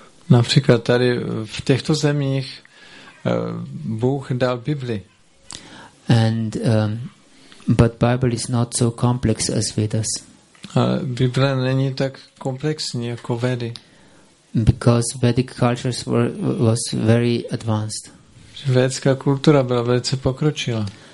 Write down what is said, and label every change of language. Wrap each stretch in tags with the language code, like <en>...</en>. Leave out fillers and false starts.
<cs>Například tady v těchto zemích Bůh dal Bibli.</cs> <en>And but Bible is not so complex as Vedas.</en> <cs>Bible není tak komplexní jako Vedy.</cs> <en>Because Vedic cultures were was very advanced.</en> <cs>Védská kultura byla velice pokročila.</cs>